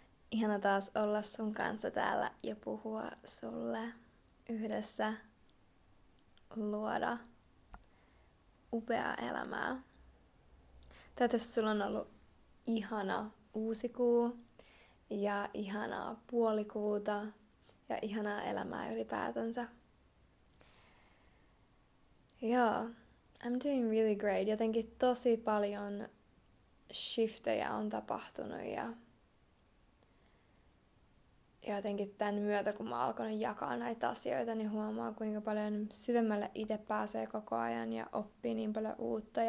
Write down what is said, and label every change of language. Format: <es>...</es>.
<fi>Ihana taas olla sun kanssa täällä ja puhua sulle yhdessä, luoda upeaa elämää. Toivottavasti sulla on ollut ihana uusi kuu ja ihanaa puolikuuta ja ihanaa elämää ylipäätänsä.</fi> <en>Joo, I'm doing really great.</en> <fi>Jotenkin tosi paljon shiftejä on tapahtunut ja jotenkin tämän myötä, kun mä alkoin jakaa näitä asioita, niin huomaa, kuinka paljon syvemmälle itse pääsee koko ajan ja oppii niin paljon uutta.</fi>